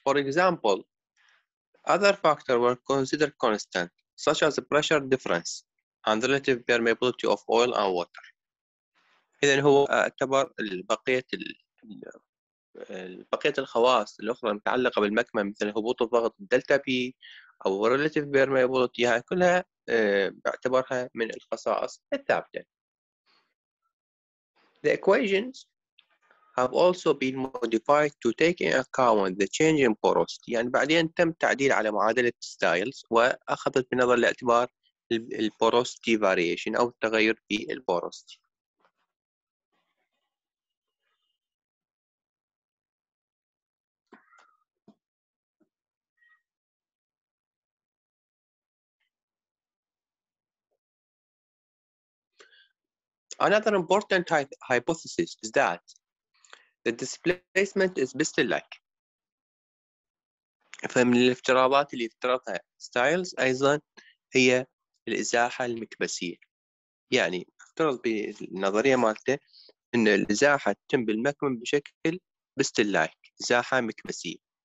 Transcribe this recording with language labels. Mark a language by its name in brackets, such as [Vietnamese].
[English] For example, other factors were considered constant, such as the pressure difference and the relative permeability of oil and water. [Arabic] إذن هو اعتبر البقية الخواص الأخرى المتعلقة بالمكمن مثل هبوط الضغط الدلتا بي أو relative permeability, هاي كلها اعتبرها من الخصائص الثابتة. [English] The equations have also been modified to take into account the change in porosity. [Arabic] يعني بعدين تم تعديل على معادلة ستايلز وأخذت بنظر الاعتبار الـ porosity variation أو التغير في الـ porosity. [English] Another important hypothesis is that the displacement is pistol-like. [Arabic] فمن الافتراضات اللي افترضها ستايلز أيضا هي الإزاحة المكبسية. يعني افترض بالنظرية مالته أن الإزاحة تتم بالمكمن بشكل pistol-like, إزاحة مكبسية.